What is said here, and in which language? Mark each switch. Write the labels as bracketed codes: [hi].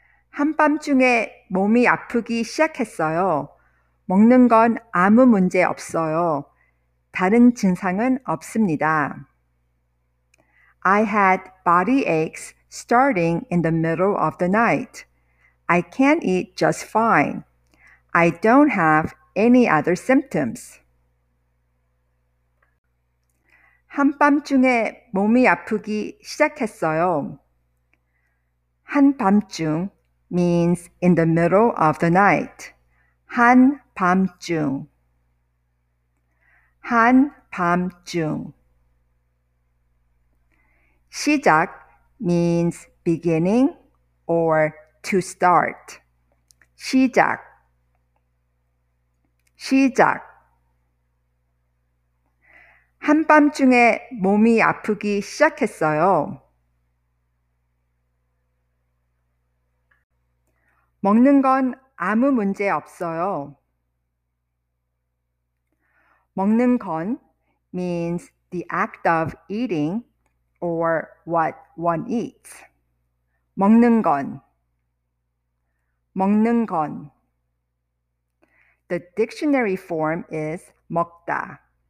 [ko] "한밤중에 몸이 아프기 시작했어요. 먹는 건 아무 문제 없어요. 다른 증상은 없습니다. [en] I had body aches starting in the middle of the night. I can eat just fine. I don't have any other symptoms. [ko] 한밤중에 몸이 아프기 시작했어요. 한밤중 [en] means in the middle of the night. [ko] 한밤중. 한밤중. 시작 [en] means beginning or to start. [ko] 시작. 시작. 한밤중에 몸이 아프기 시작했어요. 먹는 건 아무 문제 없어요. 먹는 건 [en] means the act of eating or what one eats. [ko] 먹는 건. 먹는 건. [en] The dictionary form is [ko] 먹다.